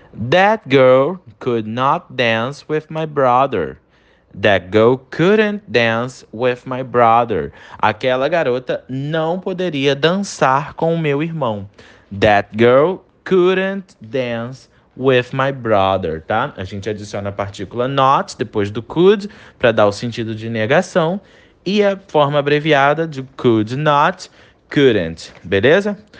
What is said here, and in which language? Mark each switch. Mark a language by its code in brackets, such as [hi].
[en] That girl could not dance with my brother. That girl couldn't dance with my brother. [pt] Aquela garota não poderia dançar com o meu irmão. [en] That girl couldn't dance with my brother, tá? [pt] A gente adiciona a partícula not depois do could para dar o sentido de negação. E a forma abreviada de could not, couldn't, beleza?